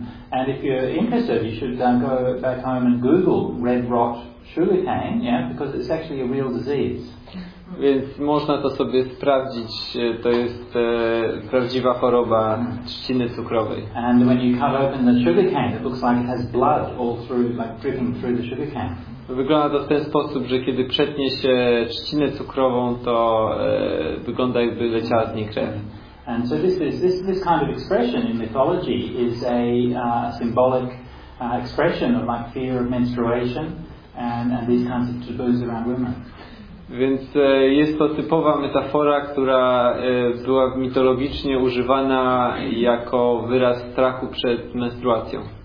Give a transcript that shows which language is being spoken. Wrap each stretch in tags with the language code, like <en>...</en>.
<en>And if you're interested, you should go back home and Google red rot sugarcane, yeah, because it's actually a real disease.</en> <pl>Więc można to sobie sprawdzić, to jest prawdziwa choroba trzciny cukrowej.</pl> <en>And when you cut open the sugarcane, it looks like it has blood all through, like dripping through the sugarcane.</en> <pl>Wygląda to w ten sposób, że kiedy przetnie się trzcinę cukrową, to wygląda, jakby leciała z niej krew.</pl> <en>And so this kind of expression in mythology is a symbolic expression of like fear of menstruation and these kinds of taboos around women.</en> <pl>Więc jest to typowa metafora, która była mitologicznie używana jako wyraz strachu przed menstruacją.</pl>